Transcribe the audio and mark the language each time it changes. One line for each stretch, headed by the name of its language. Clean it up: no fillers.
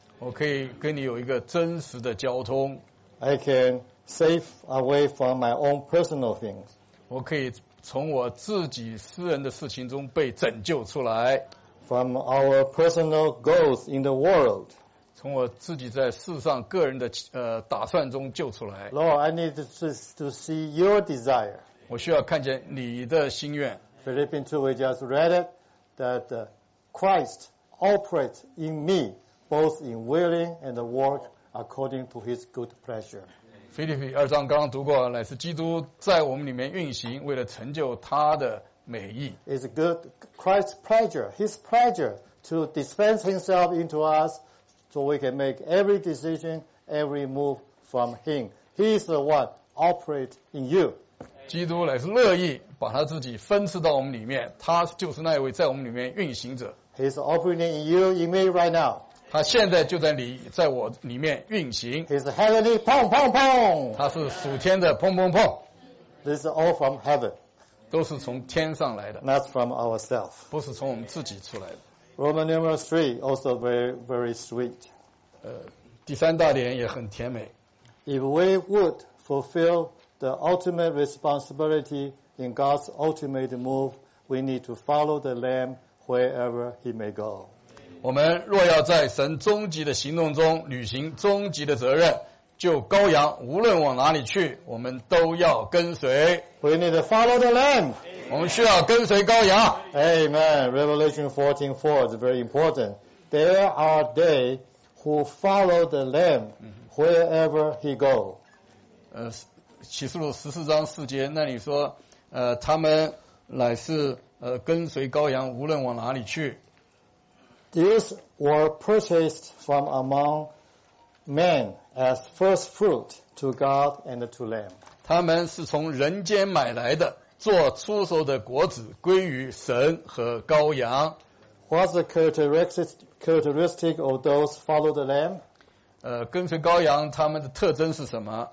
Chinese: 我可以跟你有一个真实的交通
English: I canSafe away from my own personal things.
Chinese: 我可以从我自己私人的事情中被拯救出来。
English: From our personal goals in the world.
Chinese: 从我自己在世上个人的打算中救出来。
English: Lord, I need to see your desire.
Chinese: 我需要看见你的心愿。
English: Philippians 2, we just read it, that Christ operates in me, both in willing and work according to his good pleasure.
Chinese: 腓立比二章刚刚读过乃是基督在我们里面运行为了成就他的美意
English: It's good Christ's pleasure His pleasure to dispense himself into us so we can make every decision every move from him He is the one operate in you
Chinese: 基督乃是乐意把他自己分赐到我们里面他就是那一位在我们里面运行者
English: He's operating in you in me right now
Chinese: 他现在就在你在我里面运行
English: His heavenly pong pong pong
Chinese: 他是属天的砰砰砰
English: This is all from heaven
Chinese: 都是从天上来的
English: Not from ourselves
Chinese: 不是从我们自己出来的
English: Roman numeral 3 also very very sweet
Chinese: 第三大点也很甜美
English: If we would fulfill the ultimate responsibility in God's ultimate move we need to follow the Lamb wherever he may go
Chinese: 我们若要在神终极的行动中履行终极的责任，就羔羊无论往哪里去，我们都要跟随。
English: We need to follow the Lamb.
Chinese: 我们需要跟随羔羊。
English: Amen. Revelation 14:4 is very important. There are they who follow the Lamb wherever he go.
Chinese: 启示录十四章四节那里说，他们乃是跟随羔羊无论往哪里去。
English: These were purchased from among men as first fruit to God and to Lamb.
Chinese: 他们是从人间买来的，做出售的果子，归于神和羔羊。
English: What's the characteristic of those follow the Lamb?
Chinese: 跟随羔羊，他们的特征是什么